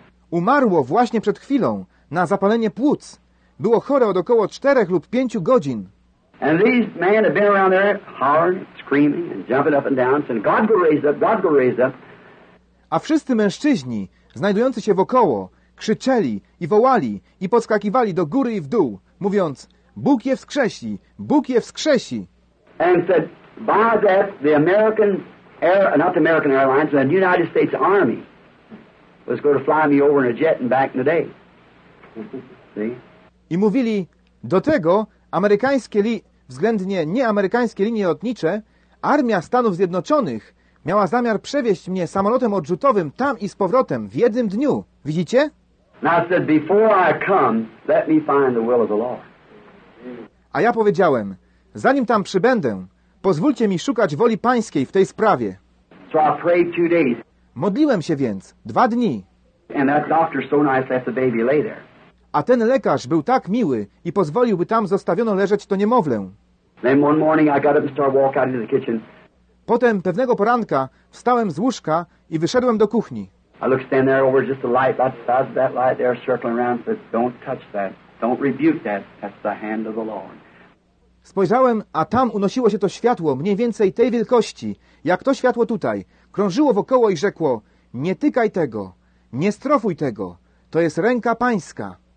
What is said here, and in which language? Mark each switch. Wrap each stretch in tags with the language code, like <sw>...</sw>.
<pl>Umarło właśnie przed chwilą na zapalenie płuc. Było chore od około 4 lub 5 godzin.</pl> <en>And these men have been around there hollering, screaming and jumping up and down saying, God go raise up, God go raise up.</en> <pl>A wszyscy mężczyźni, znajdujący się wokoło, krzyczeli i wołali i podskakiwali do góry i w dół, mówiąc, Bóg je wskrzesi, Bóg je wskrzesi.</pl> <en>And said, by that the American Air, not the American Airlines, the United States Army was going to fly me over in a jet and back in the day. See?</en> <pl>I mówili, do tego amerykańskie względnie nieamerykańskie linie lotnicze, Armia Stanów Zjednoczonych miała zamiar przewieźć mnie samolotem odrzutowym tam i z powrotem w jednym dniu. Widzicie?</pl> <en>Now I said, before I come, let me find the will of the Lord.</en> <pl>A ja powiedziałem, zanim tam przybędę, pozwólcie mi szukać woli Pańskiej w tej sprawie.</pl> <en>So I prayed 2 days.</en> <pl>Modliłem się więc 2 dni.</pl> <en>And that doctor so nice left the baby lay there.</en> <pl>A ten lekarz był tak miły i pozwolił, by tam zostawiono leżeć to niemowlę.</pl> <en>Then one morning I got up and started walking out into the kitchen.</en> <pl>Potem pewnego poranka wstałem z łóżka i wyszedłem do kuchni.</pl> <en>I looked standing there over just a light, about that light there circling around, and said, don't touch that, don't rebuke that, that's the hand of the Lord.</en> <pl>Spojrzałem, a tam unosiło się to światło mniej więcej tej wielkości, jak to światło tutaj. Krążyło wokoło i rzekło, nie tykaj tego, nie strofuj tego, to jest ręka Pańska.</pl>